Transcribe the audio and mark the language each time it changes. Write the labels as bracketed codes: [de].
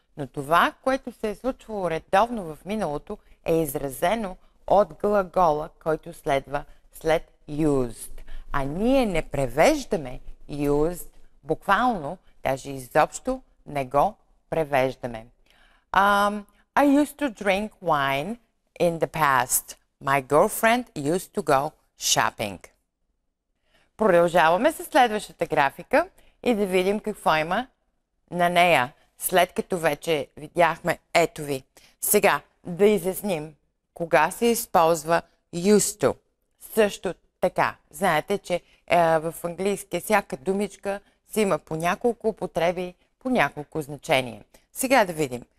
[bg] Но това, което се е случвало редовно в миналото, е изразено от глагола, който следва след used. А ние не превеждаме used буквално, даже изобщо не го превеждаме. [en] I used to drink wine in the past. My girlfriend used to go shopping. [bg] Продължаваме със следващата графика и да видим какво има на нея, след като вече видяхме ето ви. Сега да изясним кога се използва used to. Също така, знаете, че в английски всяка думичка си има по няколко употреби, по няколко значения. Сега да видим.